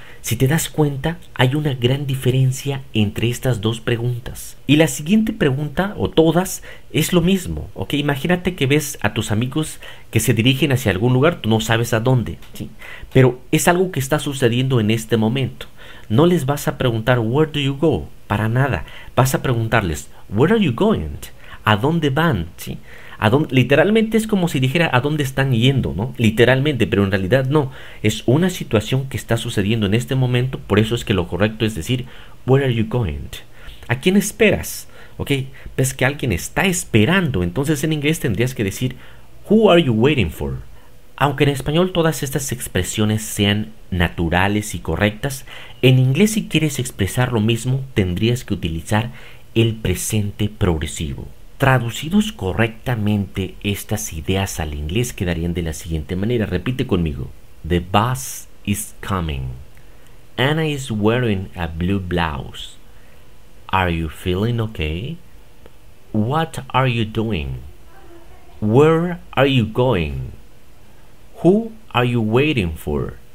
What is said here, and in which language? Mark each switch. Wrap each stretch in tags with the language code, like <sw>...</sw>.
<es>Si te das cuenta, hay una gran diferencia entre estas dos preguntas. Y la siguiente pregunta, o todas, es lo mismo, ¿ok? Imagínate que ves a tus amigos que se dirigen hacia algún lugar, tú no sabes a dónde, ¿sí? Pero es algo que está sucediendo en este momento. No les vas a preguntar,</es> <en>where do you go?</en> <es>Para nada. Vas a preguntarles,</es> <en>where are you going?</en> <es>¿A dónde van? ¿Sí? ¿A dónde? Literalmente es como si dijera a dónde están yendo, ¿no? Literalmente, pero en realidad no. Es una situación que está sucediendo en este momento, por eso es que lo correcto es decir,</es> <en>where are you going?</en> <es>¿A quién esperas? ¿Ok? Ves pues que alguien está esperando, entonces en inglés tendrías que decir,</es> <en>who are you waiting for?</en> <es>Aunque en español todas estas expresiones sean naturales y correctas, en inglés si quieres expresar lo mismo tendrías que utilizar el presente progresivo. Traducidos correctamente estas ideas al inglés quedarían de la siguiente manera. Repite conmigo.</es> <en>The bus is coming. Anna is wearing a blue blouse. Are you feeling okay? What are you doing? Where are you going? Who are you waiting for?</en>